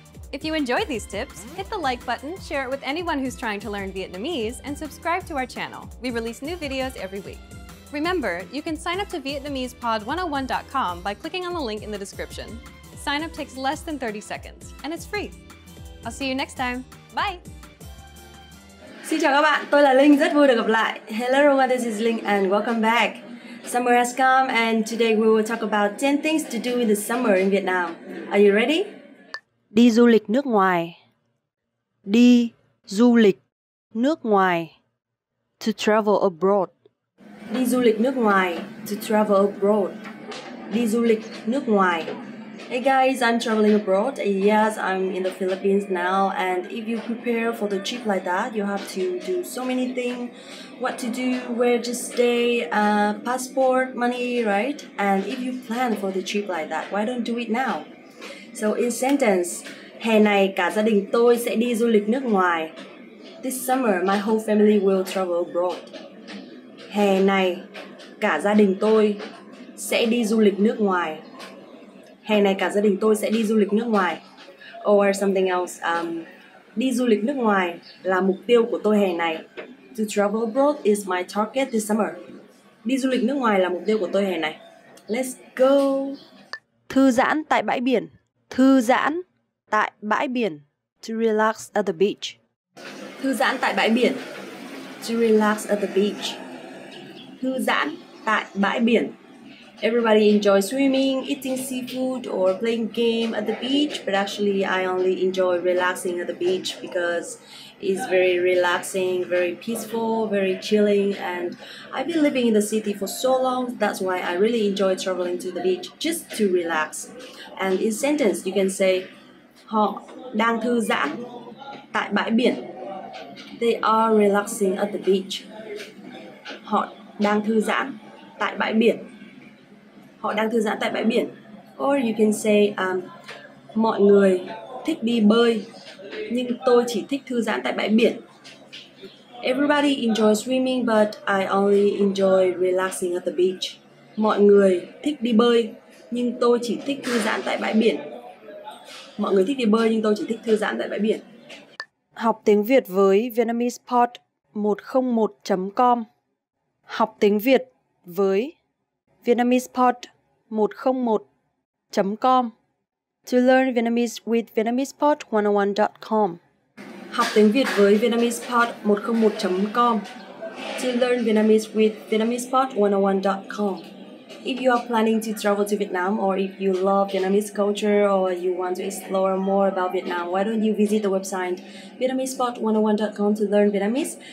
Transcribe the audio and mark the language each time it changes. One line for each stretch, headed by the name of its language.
English: If you enjoyed these tips, hit the like button, share it with anyone who's trying to learn Vietnamese, and subscribe to our channel. We release new videos every week. Remember, you can sign up to VietnamesePod101.com by clicking on the link in the description. Sign up takes less than 30 seconds, and it's free. I'll see you next time. Bye!
Vietnamese: Xin chào các bạn, tôi là Linh, rất vui được gặp lại.
English: Hello everyone, this is Linh and welcome back. Summer has come and today we will talk about 10 things to do in the summer in Vietnam. Are you ready?
Vietnamese: Đi du lịch nước ngoài. Đi du lịch nước ngoài.
English: To travel abroad.
Vietnamese: Đi du lịch nước ngoài.
English: To travel abroad.
Vietnamese: Đi du lịch nước ngoài.
English: Hey guys, I'm traveling abroad. Yes, I'm in the Philippines now. And if you prepare for the trip like that, you have to do so many things. What to do, where to stay, passport, money, right? And if you plan for the trip like that, why don't do it now? So in sentence,
Vietnamese: hè này cả gia đình tôi sẽ đi du lịch nước ngoài.
English: This summer, my whole family will travel abroad.
Vietnamese: Hè này cả gia đình tôi sẽ đi du lịch nước ngoài. Hè này cả gia đình tôi sẽ đi du lịch nước ngoài.
English: Or something else.
Vietnamese: Đi du lịch nước ngoài là mục tiêu của tôi hè này.
English: To travel abroad is my target this summer.
Vietnamese: Đi du lịch nước ngoài là mục tiêu của tôi hè này.
English: Let's go.
Vietnamese: Thư giãn tại bãi biển. Thư giãn tại bãi biển.
English: To relax at the beach.
Vietnamese: Thư giãn tại bãi biển.
English: To relax at the beach.
Vietnamese: Thư giãn tại bãi biển.
English: Everybody enjoys swimming, eating seafood, or playing game at the beach. But actually, I only enjoy relaxing at the beach because it's very relaxing, very peaceful, very chilling. And I've been living in the city for so long. That's why I really enjoy traveling to the beach just to relax. And in sentence, you can say,
Vietnamese: họ đang thư giãn tại bãi biển.
English: They are relaxing at the beach.
Vietnamese: Họ đang thư giãn tại bãi biển. Họ đang thư giãn tại bãi biển.
English: Or you can say,
Vietnamese: mọi người thích đi bơi, nhưng tôi chỉ thích thư giãn tại bãi biển.
English: Everybody enjoys swimming, but I only enjoy relaxing at the beach.
Vietnamese: Mọi người thích đi bơi, nhưng tôi chỉ thích thư giãn tại bãi biển. Mọi người thích đi bơi, nhưng tôi chỉ thích thư giãn tại bãi biển. Học tiếng Việt với VietnamesePod101.com. Học tiếng Việt với VietnamesePod101.com.
English: To learn Vietnamese with VietnamesePod101.com.
Vietnamese: Học tiếng Việt với VietnamesePod101.com.
English: To learn Vietnamese with VietnamesePod101.com. If you are planning to travel to Vietnam, or if you love Vietnamese culture, or you want to explore more about Vietnam, why don't you visit the website VietnamesePod101.com to learn Vietnamese?